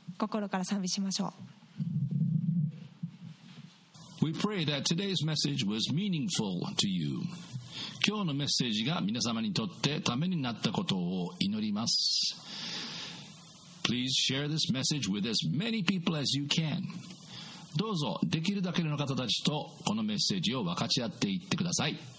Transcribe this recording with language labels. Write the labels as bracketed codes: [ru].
[ja] 心から賛美しましょう。 [en] We pray that today's message was meaningful to you. [ja] 今日のメッセージが皆様にとってためになったことを祈ります。 [en] Please share this message with as many people as you can. [ja] どうぞできるだけの方たちとこのメッセージを分かち合っていってください。